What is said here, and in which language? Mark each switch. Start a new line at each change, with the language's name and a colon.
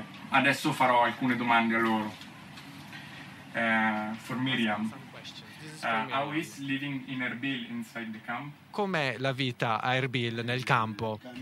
Italian: Adesso farò alcune domande a loro.
English: For Miriam, how is living in Erbil inside the camp?
Italian: Com'è la vita a Erbil nel campo?